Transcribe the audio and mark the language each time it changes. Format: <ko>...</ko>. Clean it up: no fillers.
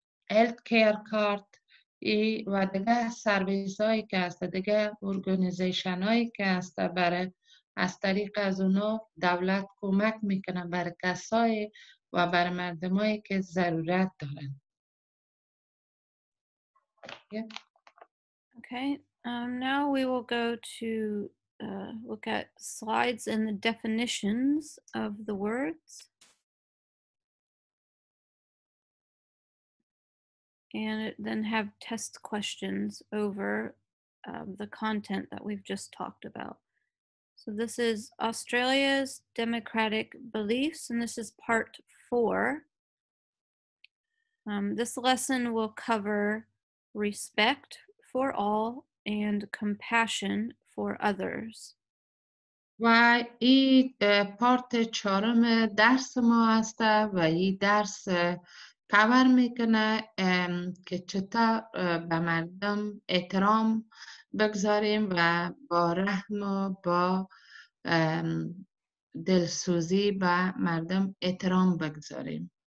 <fa>هلت کیر کارت و دیگه سرویس هایی که هست دیگه ارگانیزیشن هایی که هست برای از طریق از اونا دولت کمک میکنه برای کسای و برای مردم هایی که ضرورت دارن.</fa> <en>Okay, now we will go to look at slides and the definitions of the words. And then have test questions over the content that we've just talked about. So this is Australia's democratic beliefs, and this is part four. This lesson will cover respect for all and compassion for others. Why it part</en> <fa>چهارم درس ما است و این درس کاور میکنه که چطور به مردم احترام بگذاریم و با رحم و با دلسوزی به مردم احترام بگذاریم.</fa>